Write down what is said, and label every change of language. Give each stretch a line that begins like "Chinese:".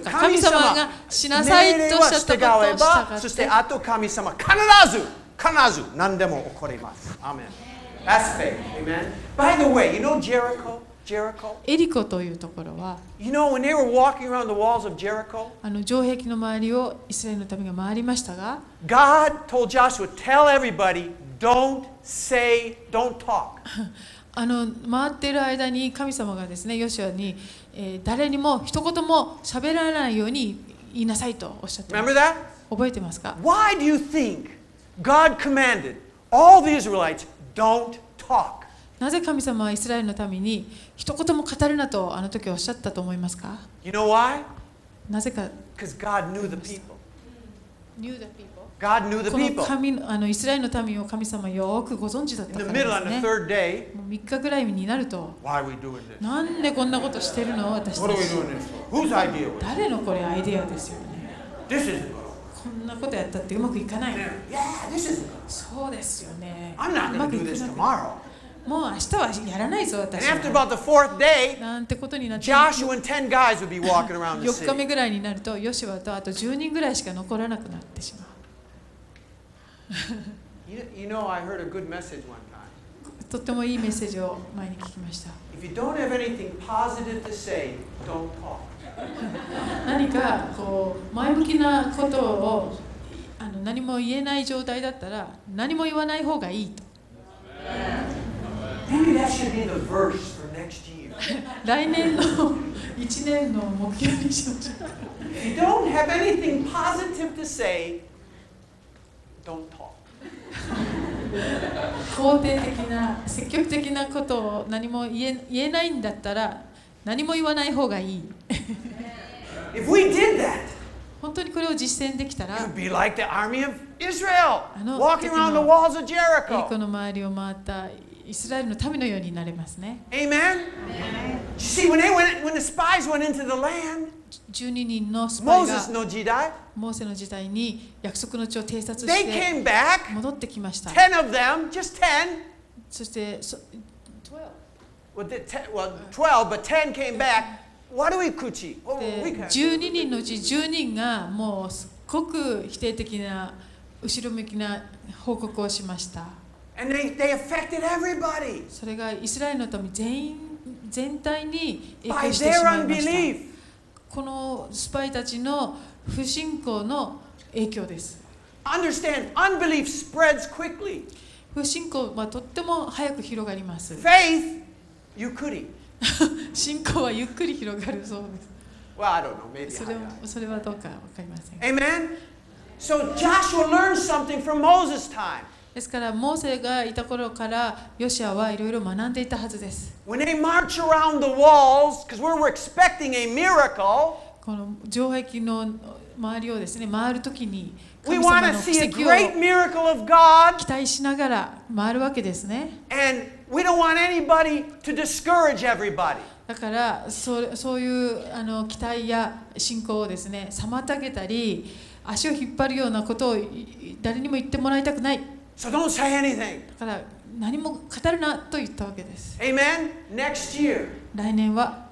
Japanese: 神様がしなさいとおっしゃったことを従って。そしてあと神様必ず必ず何でも起こります。
English: アーメン。That's faith. Amen. By the way, you know Jericho? Jericho?
Japanese: エリコというところは、
English: You know when they were walking around the walls of Jericho?
Japanese: 城壁の周りをイスラエルの民が回りましたが、
English: God told Joshua, tell everybody, don't say, don't talk.
Japanese: 回っている間に神様がですね、ヨシュアに、誰にも一言も喋らないように言いなさいとおっしゃって
English: ます。Remember
Japanese: that? 覚えてますか?
English: Why do you think God commanded all the Israelites? Don't talk.
Japanese: なぜ神様はイスラエルのために一言も語るなとあの時おっしゃったと思いますか？
English: You know why?
Japanese: なぜか。
English: Because God knew the people. Knew the people. God knew the people.
Japanese: この神あのイスラエルの民を神様よくご存知だったからですね。 3日ぐらいになると、なんでこんなことしてるの私たち。誰のこれアイデアですよね。
English: This is
Japanese: こんなことやったってうまくいかない。そうですよね。
English: I'm not gonna do this tomorrow.
Japanese: もう明日はやらないぞ私は。
English: And after about the fourth day,
Japanese: なんてことにな
English: って、Joshua and 10 guys would be walking around the city. 4
Japanese: 日目ぐらいになると、ヨシュアとあと10人ぐらいしか残らなくなってしまう。
English: you know, I heard a good message one time.
Japanese: とってもいいメッセージを前に聞きました。
English: If you don't have anything positive to say, don't talk.
Japanese: 何かこう前向きなことをあの何も言えない状態だったら何も言わない方がいいと。
English: Maybe that should be the verse for next year.
Japanese: 来年の一年の目標にしましょう。
English: If you don't have anything positive to say,
Japanese: 肯定的な積極的なことを何も言えないんだったら何も言わない方がいい。
English: If we did that,
Japanese: 本当にこれを実践できたら、
English: you'd be like the army of Israel, walking around the walls of Jericho.
Japanese: エリコの周りを回ったイスラエルの民のようになれますね。
English: Amen. You see, when the spies went into the land.
Japanese: 12人のスパイが時代モーセの時代に約束の地を偵察して
English: They came back,
Japanese: 戻ってきました。
English: 10 of them, just 10.
Japanese: そして
English: 12, but 10 came back. What are we, Kuchi?
Japanese: 12人のうち10人がもうすっごく否定的な後ろ向きな報告をしました。 And they affected everybody. それがイスラエルの民全体に影響してしまいました。このスパイたちの不信仰の影響です。
English: Understand, unbelief spreads quickly.
Japanese: 不信仰はとっても早く広がります。 Faith, ゆっくり。信仰はゆっくり広がるそうです。
English: Well, I don't know, maybe I don't know.
Japanese: それはどうかわかりません。
English: Amen? So Joshua learned something from Moses' time.
Japanese: ですからモーセがいた頃からヨシアはいろいろ学んでいたはずです。
English: When they march around the walls, because we were expecting a miracle,
Japanese: この城壁の周りをですね、回るときに、
English: we want to see a great miracle of God.
Japanese: 期待しながら回るわけですね。
English: And we don't want anybody to discourage everybody.
Japanese: だから、そういうあの期待や信仰をですね、妨げたり、足を引っ張るようなことを誰にも言ってもらいたくない。
English: So don't say anything.
Japanese: だから何も語るなと言ったわけです。
English: Amen. Next year,
Japanese: 来年は